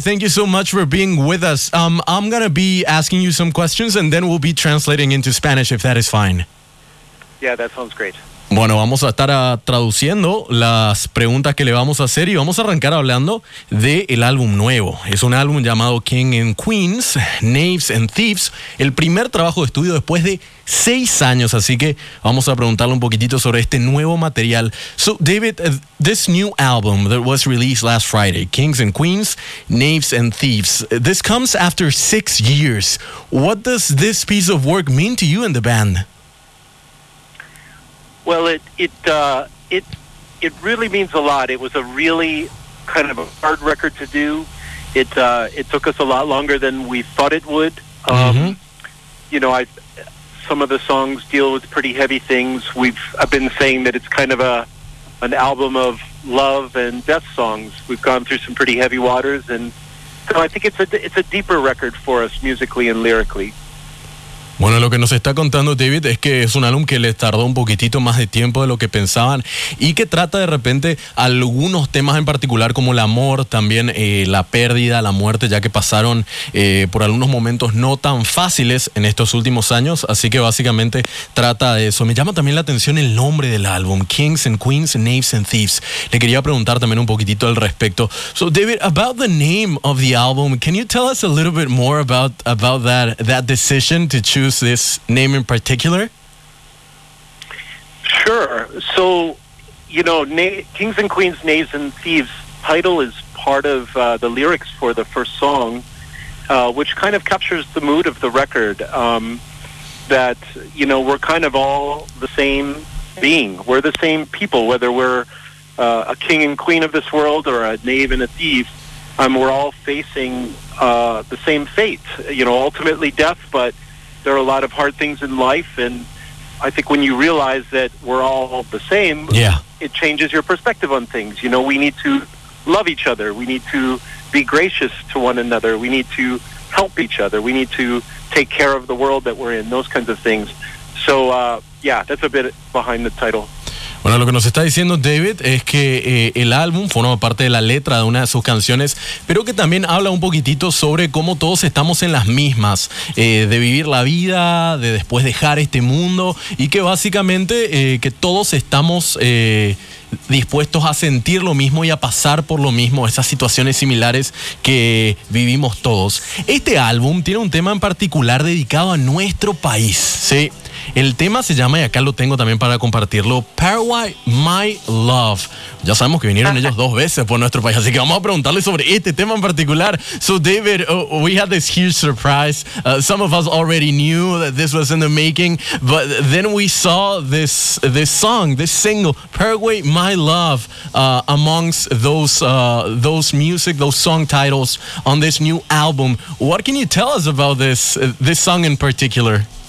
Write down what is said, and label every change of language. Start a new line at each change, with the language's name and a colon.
English: Thank you so much for being with us. I'm going to be asking you some questions, and then we'll be translating into Spanish, if that is fine. Yeah, that sounds great.
Spanish: Bueno, vamos a estar traduciendo las preguntas que le vamos a hacer y vamos a arrancar hablando de el álbum nuevo. Es un álbum llamado King and Queens, Knaves and Thieves, el primer trabajo de estudio después de 6 años. Así que vamos a preguntarle un poquitito sobre este nuevo material.
English: So, David, this new album that was released last Friday, Kings and Queens, Knaves and Thieves, this comes after 6 years. What does this piece of work mean to you and the band? Well, it really means a lot. It was a really kind of a hard record to do. It took us a lot longer than we thought it would. You know, some of the songs deal with pretty heavy things. I've been saying that it's kind of an album of love and death songs. We've gone through some pretty heavy waters, and so I think it's a deeper record for us musically and lyrically.
Spanish: Bueno, lo que nos está contando David es que es un álbum que les tardó un poquitito más de tiempo de lo que pensaban y que trata de repente algunos temas en particular como el amor, también la pérdida, la muerte, ya que pasaron por algunos momentos no tan fáciles en estos últimos años, así que básicamente trata de eso. Me llama también la atención el nombre del álbum, Kings and Queens, Knaves and Thieves. Le quería preguntar también un poquitito al respecto.
English: So David, about the name of the album, can you tell us a little bit more about that decision to choose this name in particular? Sure. So, you know, Kings and Queens, Knaves and Thieves title is part of the lyrics for the first song, which kind of captures the mood of the record, that, you know, we're kind of all the same being. We're the same people, whether we're a king and queen of this world or a knave and a thief, we're all facing the same fate, you know, ultimately death, but there are a lot of hard things in life, and I think when you realize that we're all the same, yeah, it changes your perspective on things. You know, we need to love each other. We need to be gracious to one another. We need to help each other. We need to take care of the world that we're in, those kinds of things. So, that's a bit behind the title.
Spanish: Bueno, lo que nos está diciendo David es que el álbum forma parte de la letra de una de sus canciones, pero que también habla un poquitito sobre cómo todos estamos en las mismas, de vivir la vida, de después dejar este mundo, y que básicamente que todos estamos dispuestos a sentir lo mismo y a pasar por lo mismo, esas situaciones similares que vivimos todos. Este álbum tiene un tema en particular dedicado a nuestro país, ¿sí? El tema se llama, y acá lo tengo también para compartirlo, Paraguay, My Love. Ya sabemos que vinieron ellos dos veces por nuestro país, así que vamos a preguntarle sobre este tema en particular.
English: So David, we had this huge surprise. Some of us already knew that this was in the making, but then we saw this song, this single, Paraguay, My Love, amongst those music, those song titles on this new album. What can you tell us about this song in particular?